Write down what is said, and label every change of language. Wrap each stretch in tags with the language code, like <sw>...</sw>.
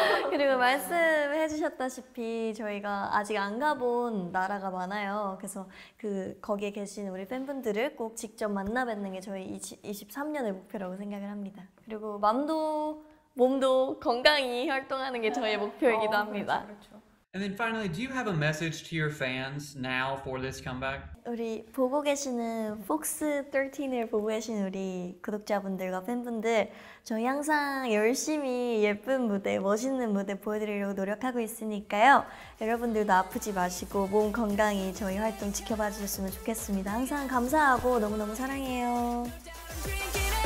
<ko>그리고 말씀해 주셨다시피 저희가 아직 안 가본 나라가 많아요. 그래서 그 거기에 계신 우리 팬분들을 꼭 직접 만나 뵙는 게 저희 23년의 목표라고 생각을 합니다. 그리고 맘도 몸도 건강히 활동하는 게 저희의 목표이기도 합니다. 그렇죠.</ko> <en>And then finally, do you have a message to your fans now for this comeback?</en> <ko>우리 보고 계시는 폭스 13을 보고 계신 우리 구독자분들과 팬분들 저희 항상 열심히 예쁜 무대, 멋있는 무대 보여드리려고 노력하고 있으니까요 여러분들도 아프지 마시고 몸 건강히 저희 활동 지켜봐 주셨으면 좋겠습니다 항상 감사하고 너무너무 사랑해요</ko>